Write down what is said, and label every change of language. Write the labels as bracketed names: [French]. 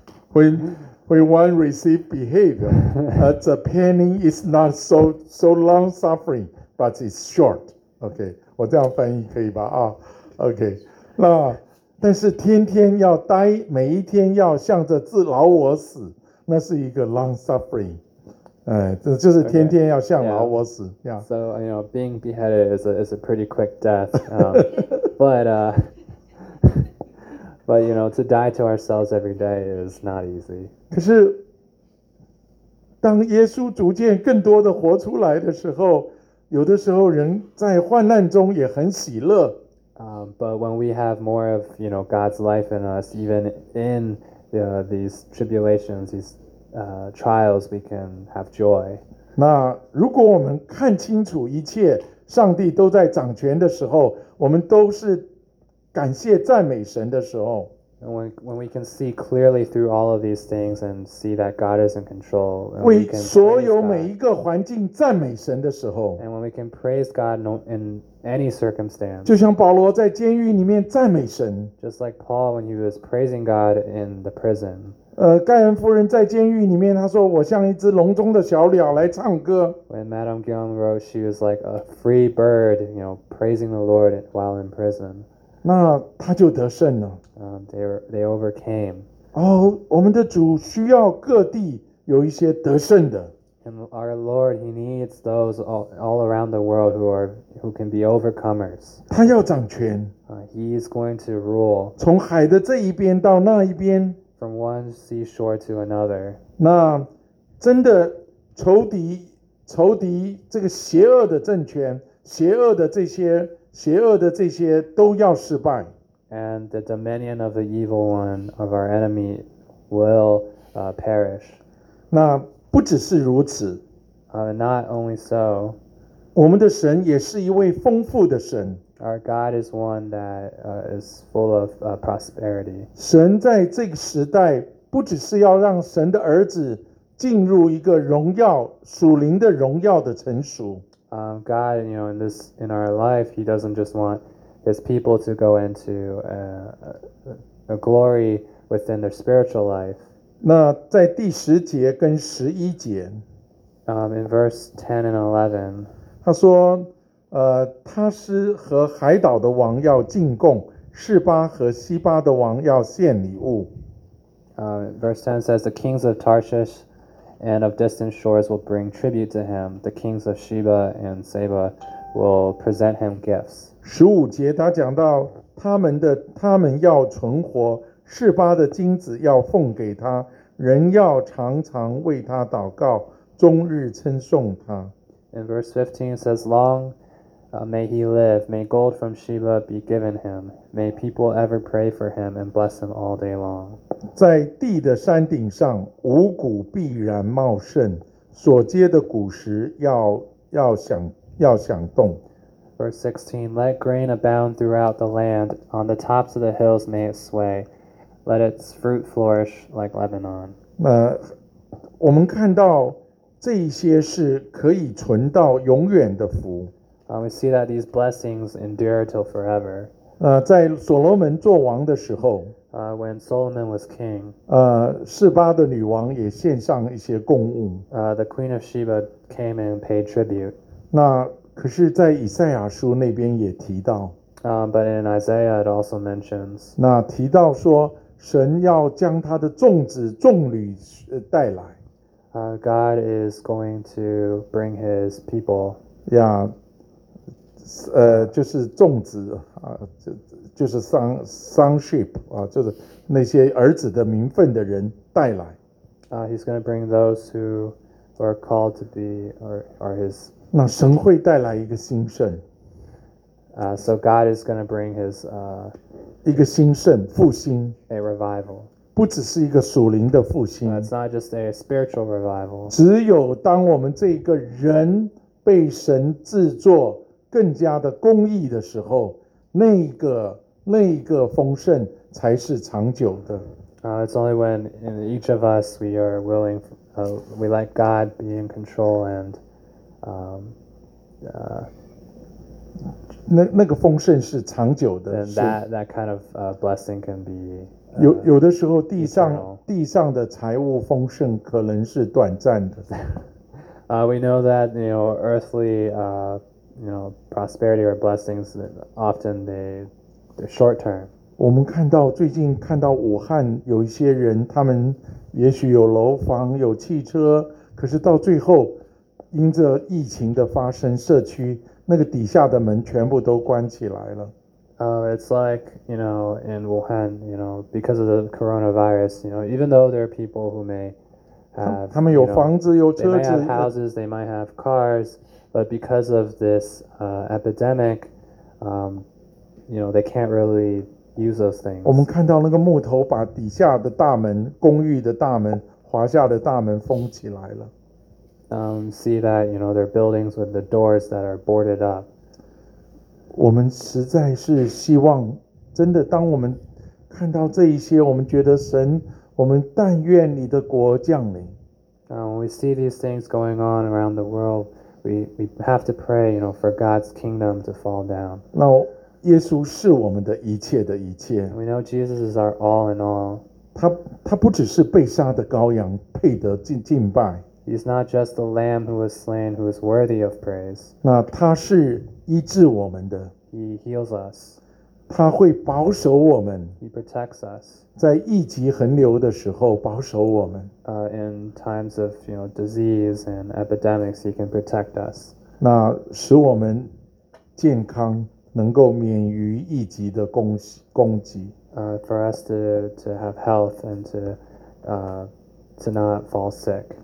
[English] When one receive behavior, the pain is not so long suffering, but it's short. [Chinese] Okay, 我这样翻译可以吧？Okay, 那但是天天要待，每一天要向着自老我死，那是一个 [English] long suffering. [Chinese] 这就是天天要向老我死。 [English] Okay. Yeah. So you know, being beheaded is a pretty quick death. but But, you know, to die to ourselves every day is not easy. [Chinese] 可是当耶稣逐渐更多的活出来的时候，有的时候人在患难中也很喜乐。 [English] But when we have more of, you know, God's life in us, even in these tribulations, these trials, we can have joy. [Chinese] 那如果我们看清楚一切，上帝都在掌权的时候，我们都是感谢赞美神的时候。 [English] And when we can see clearly through all of these things and see that God is in control, and we can praise [Chinese] 所有每一个环境赞美神的时候 [English] ，and when we can praise God in any circumstance, [Chinese] 就像保罗在监狱里面赞美神 [English] ，just like Paul when he was praising God in the prison. [Chinese] 盖恩夫人在监狱里面，她说：“我像一只笼中的小鸟来唱歌。 [English] ”When Madame Guillaume wrote, she was like a free bird, you know, praising the Lord while in prison. [Chinese] 那他就得胜了。 [English] They overcame. [Chinese] 我们的主需要各地有一些得胜的。 [English] And our Lord, He needs those all around the world who can be overcomers. [Chinese] 他要掌权。 [English] He is going to rule. [Chinese] 从海的这一边到那一边。 [English] From one seashore to another. [Chinese] 那真的仇敌这个邪恶的政权，邪恶的这些都要失败。 [English] And the dominion of the evil one of our enemy will perish. [Chinese] 那不只是如此。 [English] Not only so. [Chinese] 我们的神也是一位丰富的神。 [English] Our God is one that is full of prosperity. [Chinese] 神在这个时代不只是要让神的儿子进入一个荣耀，属灵的荣耀的成熟。 [English] God, you know, in our life, He doesn't just want His people to go into a glory within their spiritual life. [Chinese] 那在第十节跟十一节 [English] in verse 10 and 11, [Chinese] 他说，他是和海岛的王要进贡，示巴和西巴的王要献礼物。 [English] Verse 10 says, the kings of Tarshish and of distant shores will bring tribute to him. The kings of Sheba and Saba will present him gifts. [Chinese] 十五节他讲到他们要存活，示巴的金子要奉给他，人要常常为他祷告，终日称颂他。 [English] In verse 15 it says, long may he live, may gold from Sheba be given him, may people ever pray for him and bless him all day long. [Chinese] 在地的山顶上，五谷必然茂盛，所结的谷实要响动。 [English] Verse 16, let grain abound throughout the land, on the tops of the hills may it sway, let its fruit flourish like Lebanon. [Chinese] 那我们看到这一些是可以存到永远的福。 [English] We see that these blessings endure till forever. [Chinese] 在所罗门做王的时候 [English] When Solomon was king, [Chinese] 示巴的女王也献上一些贡物。 [English] The queen of Sheba came and paid tribute. [Chinese] 那可是在以赛亚书那边也提到 [English] But in Isaiah it also mentions [Chinese] 那提到说神要将他的众子众女带来 [English] God is going to bring his people [Chinese] yeah, 就是众子、就是 sonship、就是那些儿子的名分的人带来 [English] He's going to bring those who are called to be are his [Chinese] 那神会带来一个兴盛。 [English] So God is going to bring his [Chinese] 一个兴盛复兴 [English] a revival. [Chinese] 不只是一个属灵的复兴。 [English] It's not just a spiritual revival. [Chinese] 只有当我们这个人被神制作更加的公义的时候，那个丰盛才是长久的。 [English] It's only when in each of us we are willing, we let God be in control and [Chinese] 那个丰盛是长久的 [English] that kind of blessing can be [Chinese] 有的时候地上的财务丰盛可能是短暂的 [English] We know that you know earthly prosperity or blessings often they're short term [Chinese] 我们看到最近看到武汉有一些人他们也许有楼房有汽车可是到最后因着疫情的发生，社区那个底下的门全部都关起来了。 [English] It's like you know in Wuhan, you know because of the coronavirus, you know even though there are people who may have [Chinese] 他们有房子有车子 [English] they might have houses, they might have cars, but because of this epidemic, you know they can't really use those things. [Chinese] 我们看到那个木头把底下的大门、公寓的大门、华夏的大门封起来了。 [English] See that you know their buildings with the doors that are boarded up. [Chinese] 我们实在是希望，真的，当我们看到这一些，我们觉得神，我们但愿你的国降临。 [English] When we see these things going on around the world, we have to pray, you know, for God's kingdom to fall down. [Chinese] 那耶稣是我们的一切的一切。 [English] We know Jesus is our all in all. [Chinese] 他不只是被杀的羔羊，配得敬拜。 [English] He's not just the lamb who was slain, who is worthy of praise. [Chinese] 那他是医治我们的。 [English] He heals us. [Chinese] 他会保守我们。 [English] He protects us. [Chinese] 在疫疾横流的时候保守我们。 [English] In times of, you know, disease and epidemics, he can protect us. [Chinese] 那使我们健康，能够免于疫疾的攻击。 [English] For us to have health and to not fall sick.